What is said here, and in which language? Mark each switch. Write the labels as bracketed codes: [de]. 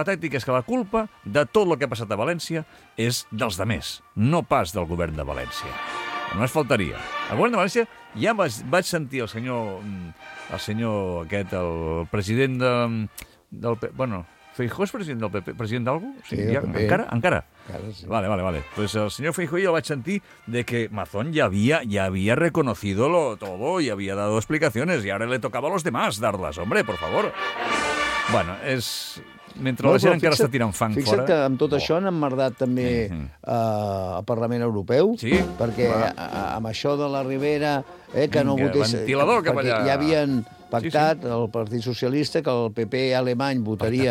[ca] La tàctica és que la culpa de tot el que ha passat a València és dels demés, no pas del govern de València. No es faltaria. El govern de València, ja vaig sentir el senyor aquest, el president del PP... Bueno, Feijó és president del PP? President d'algú? Sí, ja, encara? Encara? Claro, sí. Vale. [es] Pues [ca] el senyor Feijó ja el vaig sentir de que Mazón ja havia [es] reconocido lo todo y había dado explicaciones y ahora le tocaba a los demás darlas, hombre, por favor. [ca] Bueno, és... Mentre no, la gent encara està tirant fang fixa't fora... Fixa't que amb tot això han emmerdat també el Parlament Europeu, sí? Perquè amb això de la Ribera... que vinga, no votés, ventilador cap allà! Ja havien pactat sí, sí. El Partit Socialista que el PP alemany votaria...